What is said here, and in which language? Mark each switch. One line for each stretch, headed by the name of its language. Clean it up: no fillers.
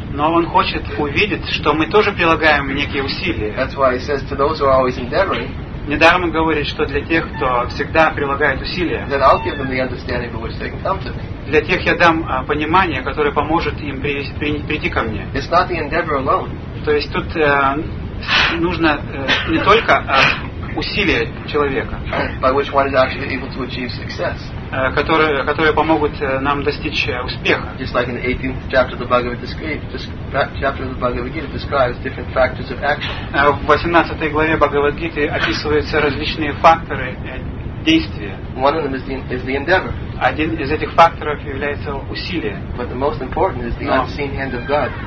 Russian: Но он хочет увидеть, что мы тоже прилагаем некие усилия.
English: That's why he says to those who are always endeavoring.
Russian: Недаром он говорит, что для тех, кто всегда прилагает усилия.
English: That I'll give them the understanding by which they can come to me.
Russian: Для тех я дам понимание, которое поможет им прийти ко мне.
English: It's not the endeavor alone.
Russian: То есть тут нужно не только усилия человека.
English: By which one is actually able to achieve success.
Russian: Которые помогут нам достичь успеха.
English: Just like in the 18th chapter of the Bhagavad Gita, describes different factors of action.
Russian: В 18 главе Бхагавад Гиты описываются различные факторы действия.
English: One of them is the endeavor.
Russian: Один из этих факторов является усилие.
English: But the most important is the unseen hand of God.